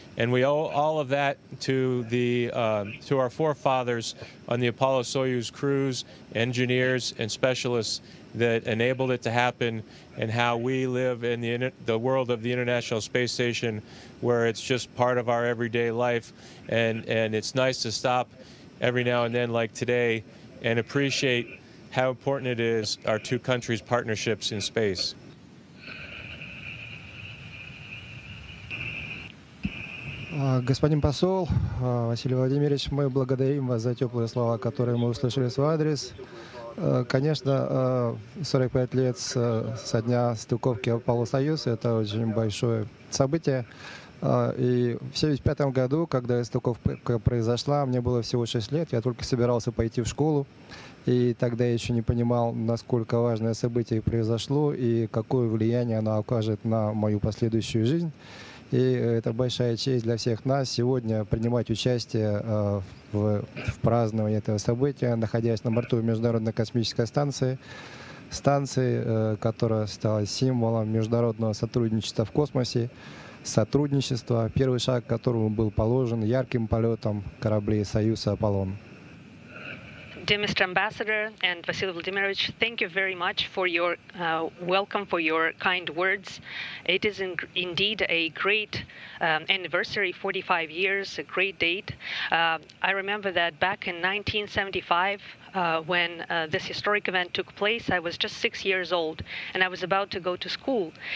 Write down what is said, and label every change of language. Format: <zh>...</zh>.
<en>And we owe all of that to our forefathers on the Apollo-Soyuz crews, engineers, and specialists that enabled it to happen, and how we live in the world of the International Space Station, where it's just part of our everyday life, and it's nice to stop every now and then, like today, and appreciate how important it is, our two countries' partnerships in space.</en> <ru>Господин посол, Василий Владимирович, мы благодарим вас за теплые слова, которые мы услышали в свой адрес. Конечно, 45 лет со дня стыковки Аполло-Союз – это очень большое событие. И в 75-м году, когда стыковка произошла, мне было всего 6 лет, я только собирался пойти в школу, и тогда я еще не понимал, насколько важное событие произошло и какое влияние оно окажет на мою последующую жизнь. И это большая честь для всех нас сегодня принимать участие в праздновании этого события, находясь на борту Международной космической станции. Станции, которая стала символом международного сотрудничества в космосе. Сотрудничество, первый шаг к которому был положен ярким полетом кораблей Союза «Аполлон».</ru> <en>Dear Mr. Ambassador and Vasily Vladimirovich, thank you very much for your welcome, for your kind words. It is indeed a great anniversary, 45 years, a great date. I remember that back in 1975, when this historic event took place, I was just 6 years old, and I was about to go to school.</en>